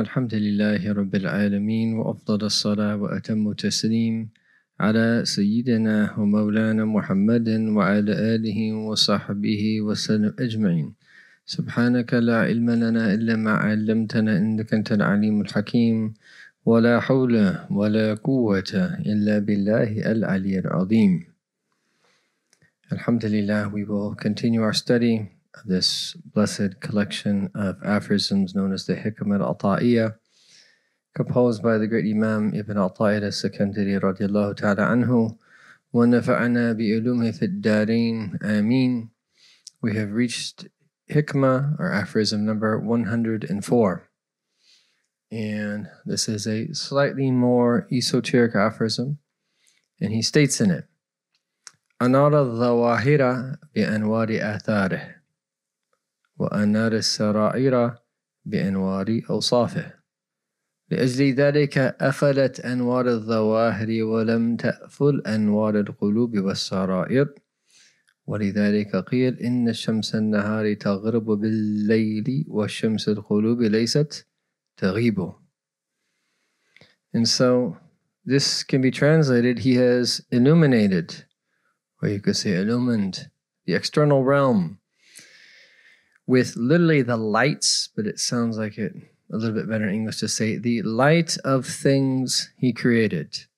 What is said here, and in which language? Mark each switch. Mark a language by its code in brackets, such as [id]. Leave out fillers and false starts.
[ar] الحمد لله رب العالمين، وأفضل الصلاة وأتم التسليم على سيدنا ومولانا محمد وعلى آله وصحبه وسلم أجمعين. سبحانك لا علم لنا إلا ما علمتنا، إنك أنت العليم الحكيم. ولا حول ولا قوة إلا بالله العلي العظيم. الحمد لله. [en] We will continue our study of this blessed collection of aphorisms known as the Hikamat al-Ta'iyya, composed by the great Imam Ibn al-Ta'ir al-Sakandari radiallahu ta'ala anhu. [ar] Wa nafa'ana bi'ulumi fid-dareen. Ameen. [en] We have reached Hikmah, or aphorism number 104. And this is a slightly more esoteric aphorism. And he states in it, [ar] Anara dhawahira bi'anwari athareh. وأنار السرائر بأنوار أوصافه لأجل ذلك أفلت أنوار الظواهر ولم تأفل أنوار القلوب والسرائر ولذلك قيل إن الشمس النهار تغرب بالليل والشمس القلوب ليست تغيب. [en] And so this can be translated, he has illuminated, or you could say illumined, the external realm with literally the lights, but it sounds like it a little bit better in English to say the light of things he created.